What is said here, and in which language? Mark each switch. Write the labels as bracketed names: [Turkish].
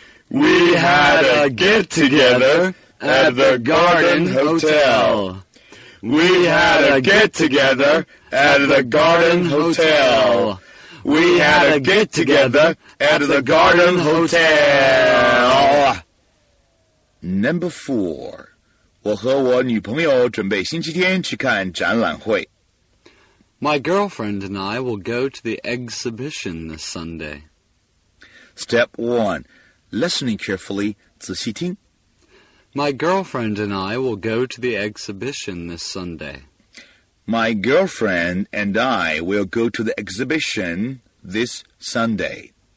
[English] We had a get-together at the Garden Hotel. We had a get-together at the Garden Hotel. We had a get-together at the Garden Hotel. Number four. [Chinese] 我和我女朋友准备星期天去看展览会。 [English] My girlfriend and I will go to the exhibition this Sunday. Step one. Listening carefully, [Chinese] 仔细听。 [English] My girlfriend and I will go to the exhibition this Sunday. My girlfriend and I will go to the exhibition this Sunday.